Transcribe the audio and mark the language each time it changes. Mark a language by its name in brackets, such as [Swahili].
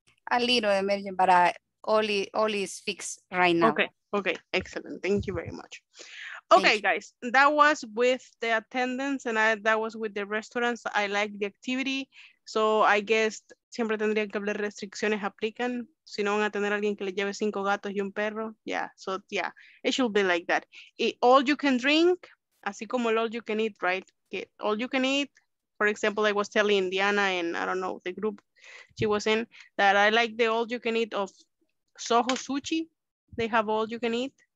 [English] A little emergency, but all is fixed right now. Okay. Okay. Excellent. Thank you very much. Okay, guys. That was with the attendance and that was with the restaurants. I like the activity. So I guess [Spanish] siempre tendrían que hablar restricciones aplican. Si no van a tener a alguien que le lleve 5 gatos y un perro. [English] Yeah, so yeah, it should be like that. It, all you can drink, [Spanish] así como el [English] all you can eat, right? Okay. All you can eat, For example, I was telling Indiana and I don't know the group she was in that I like the all you can eat of Soho Sushi. They have all you can eat.